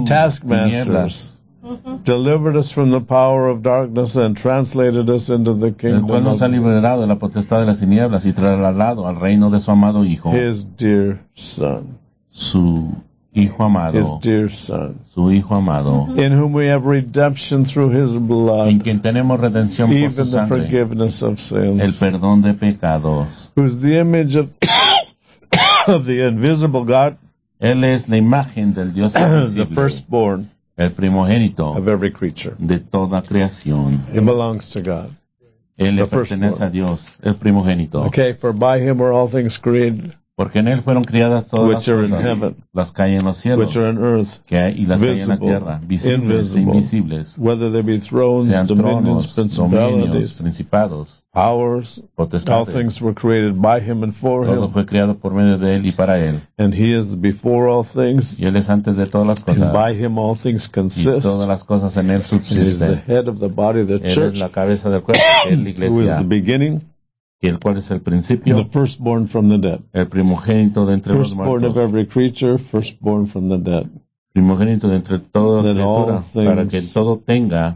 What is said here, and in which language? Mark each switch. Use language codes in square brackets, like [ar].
[en] our taskmasters, delivered us from the power of darkness and translated us into the kingdom. [es] El cual nos ha liberado de la potestad de las tinieblas y trasladado al reino de su amado hijo. [en] His dear son, [es] su hijo amado. [en] His dear son, [es] su hijo amado. [en] In whom we have redemption through His blood. [es] En quien tenemos redención por su sangre. [en] Even the forgiveness of sins. [es] El perdón de pecados. [en] Who's the image of of the invisible God, [es] él es la imagen del Dios invisible, [en] the firstborn, [es] el primogénito [en] of every creature, [es] de toda creación. [en] It belongs to God, [es] él le pertenece a Dios, el primogénito. [en] Okay, for by Him were all things created, [es] porque en él fueron criadas todas las cosas, [en] are in heaven, [es] las que hay en los cielos, [en] which are in earth, [es] que hay, y las [en] visible, [es] que hay en la tierra, visibles [en] invisible, [es] e invisibles, [en] whether they be thrones, [es] sean [en] dominions, [es] tronos, [en] principalities, [es] principados, [en] powers, [es] potestades. [en] All things were created by Him and for [es] todo Todo fue creado por medio de él y para él. [en] And He is before all things. [es] Y él es antes de todas las cosas. [en] And by Him all things consist. [es] Y todas las cosas en él subsisten. [en] He is the head of the body, the church. [es] Él es la cabeza del cuerpo, que es la iglesia. [en] Who is the beginning? [es] Y el cual es el principio. [en] The firstborn from the dead. [es] El primogénito de entre [en] firstborn [es] los muertos. [en] Firstborn of every creature, firstborn from the dead. [es] Primogénito de entre toda criatura, para que todo tenga